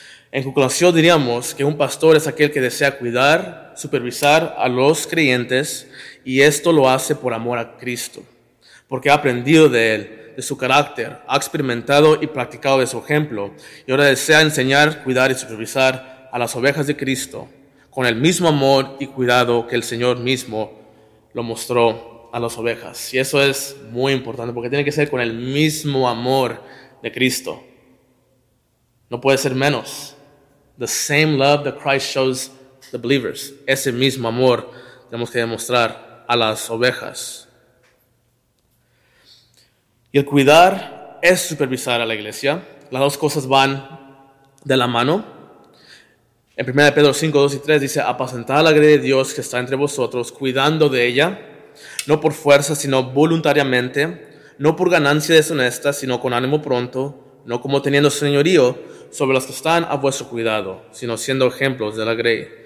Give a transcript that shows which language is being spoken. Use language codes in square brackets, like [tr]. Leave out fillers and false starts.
[es] En conclusión, diríamos que un pastor es aquel que desea cuidar, supervisar a los creyentes, y esto lo hace por amor a Cristo, porque ha aprendido de él, de su carácter, ha experimentado y practicado de su ejemplo, y ahora desea enseñar, cuidar y supervisar a las ovejas de Cristo con el mismo amor y cuidado que el Señor mismo lo mostró a las ovejas. Y eso es muy importante, porque tiene que ser con el mismo amor de Cristo. No puede ser menos. [en] The same love that Christ shows the believers. [es] Ese mismo amor tenemos que demostrar a las ovejas. Y el cuidar es supervisar a la iglesia. Las dos cosas van de la mano. En 1 Pedro 5, 2 y 3 dice, apacentad la gracia de Dios que está entre vosotros, cuidando de ella, no por fuerza, sino voluntariamente, no por ganancia deshonesta, sino con ánimo pronto, no como teniendo señorío sobre las que están a vuestro cuidado, sino siendo ejemplos de la grey.